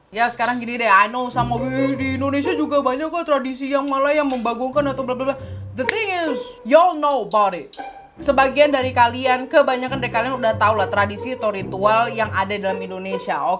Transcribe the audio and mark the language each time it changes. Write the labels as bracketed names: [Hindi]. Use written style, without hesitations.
[Indonesian] Ya sekarang gini deh, [English] I know [Indonesian] sama di Indonesia juga banyak kok tradisi yang malah yang membangunkan atau bla bla bla. [English] The thing is, y'all know about it. [Indonesian] Sebagian dari kalian, kebanyakan dari kalian udah tau lah tradisi atau ritual yang ada dalam Indonesia, oke?